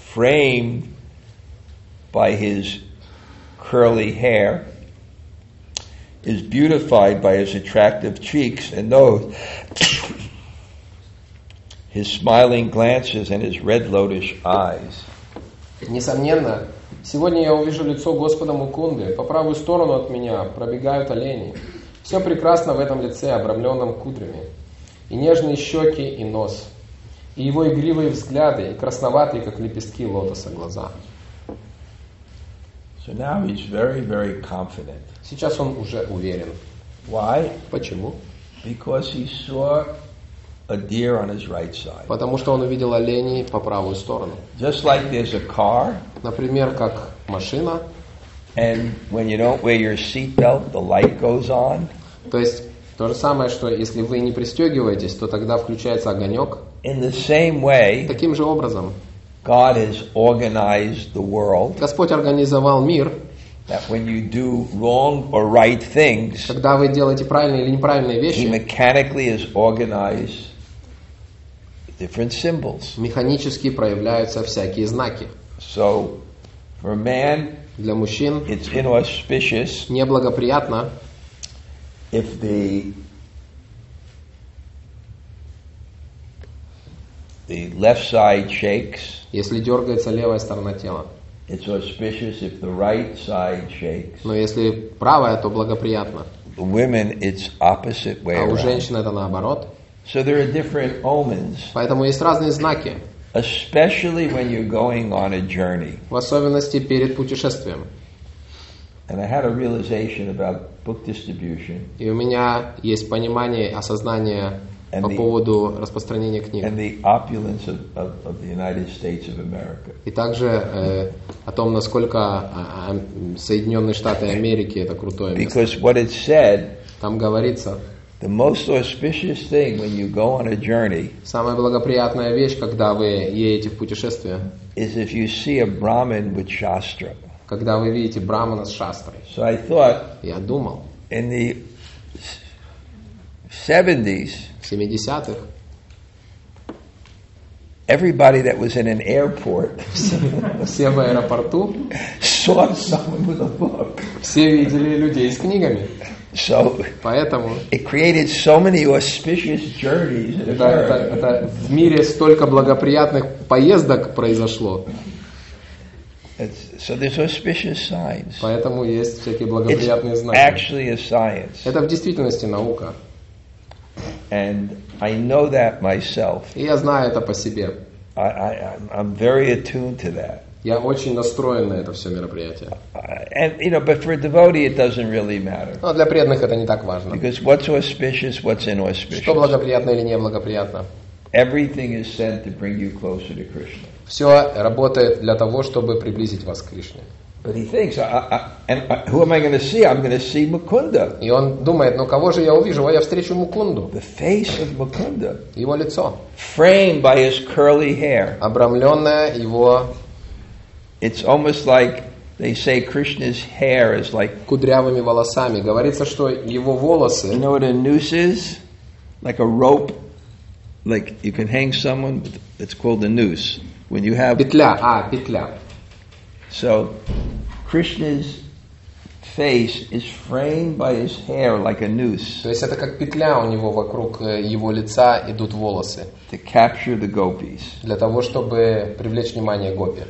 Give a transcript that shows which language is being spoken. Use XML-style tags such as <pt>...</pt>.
<en>Framed by his curly hair, is beautified by his attractive cheeks and nose, his smiling glances and his red lotus eyes.</en> <ru>Несомненно, сегодня я увижу лицо Господа Мукунды. По правую сторону от меня пробегают олени. Все прекрасно в этом лице, обрамленном кудрями, и нежные щеки и нос. И его игривые взгляды, красноватые, как лепестки лотоса, глаза.</ru> <en>So now he's very, very confident.</en> <ru>Сейчас он уже уверен.</ru> <en>Why?</en> <ru>Почему?</ru> <en>Because he saw a deer on his right side.</en> <ru>Потому что он увидел оленей по правую сторону.</ru> <en>Just like there's a car.</en> <ru>Например, как машина.</ru> <en>And when you don't wear your seatbelt, the light goes on.</en> <ru>То есть то же самое, что если вы не пристегиваетесь, то тогда включается огонек.</ru> <en>In the same way,</en> <ru>таким же образом,</ru> <en>God has organized the world.</en> <ru>Господь организовал мир.</ru> <en>That when you do wrong or right things,</en> <ru>когда вы делаете правильные или неправильные вещи,</ru> <en>He mechanically has organized different symbols.</en> <ru>Механически проявляются всякие знаки.</ru> <en>So, for man,</en> <ru>для мужчин,</ru> <en>it's inauspicious.</en> <ru>Неблагоприятно.</ru> <en>If the left side shakes,</en> <ru>если дергается левая сторона тела,</ru> <en>it's auspicious if the right side shakes.</en> <ru>Но если правая, то благоприятно.</ru> <en>The women, it's opposite way.</en> <ru>А у женщин это наоборот.</ru> <en>So there are different omens.</en> <ru>Поэтому есть разные знаки.</ru> <en>Especially when you're going on a journey.</en> <ru>В особенности перед путешествием.</ru> <en>And I had a realization about book distribution.</en> <ru>И у меня есть понимание, осознание по поводу распространения книг.</ru> <en>And the opulence of the United States of America.</en> <ru>И также о том, насколько Соединенные Штаты Америки это крутое место.</ru> <en>Because what it said,</en> <ru>там говорится,</ru> <en>the most auspicious thing when you go on a journey,</en> <ru>самая благоприятная вещь, когда вы едете в путешествие,</ru> <en>is if you see a Brahmin with Shastra.</en> <ru>Когда вы видите брахмана с шастрой.</ru> <en>So I thought,</en> <ru>я думал,</ru> <en>in the 70s,</en> <ru>70-х,</ru> <en>everybody that was in an airport,</en> <ru>все в аэропорту,</ru> <en>saw someone with a book.</en> <ru>Все видели людей с книгами.</ru> <en>So,</en> <ru>поэтому,</ru> <en>it created so many auspicious journeys.</en> <ru>Это в мире столько благоприятных поездок произошло.</ru> <en>So there's auspicious signs.</en> <ru>Поэтому есть всякие благоприятные</ru> <en>It's</en> <ru>знаки.</ru> <en>Actually a science.</en> <ru>Это в действительности наука.</ru> <en>And I know that myself.</en> <ru>И я знаю это по себе.</ru> <en>I'm very attuned to that.</en> <ru>Я очень настроен на это все мероприятие.</ru> <en>And you know, but for a devotee, it doesn't really matter.</en> <ru>Но для преданных это не так важно.</ru> <en>Because what's auspicious, what's inauspicious.</en> <ru>Что благоприятно или неблагоприятно.</ru> <en>Everything is sent to bring you closer to Krishna.</en> <ru>Все работает для того, чтобы приблизить вас к Кришне.</ru> <en>But he thinks, who am I going to see? I'm going to see Mukunda.</en> <ru>И он думает, ну кого же я увижу? Я встречу Мукунду.</ru> <en>The face of Mukunda.</en> <ru>Его лицо.</ru> <en>Framed by his curly hair.</en> <ru>Обрамленное его.</ru> <en>It's almost like they say Krishna's hair is like.</en> <ru>Кудрявыми волосами. Говорится, что его волосы.</ru> <en>You know what a noose is? Like a rope. Like you can hang someone. It's called a noose. When you have</en> <ru>петля, петля.</ru> <en>So Krishna's face is framed by his hair like a noose.</en> <ru>То есть это как петля у него вокруг его лица идут волосы.</ru> <en>To capture the gopis.</en> <ru>Для того чтобы привлечь внимание гопи.</ru>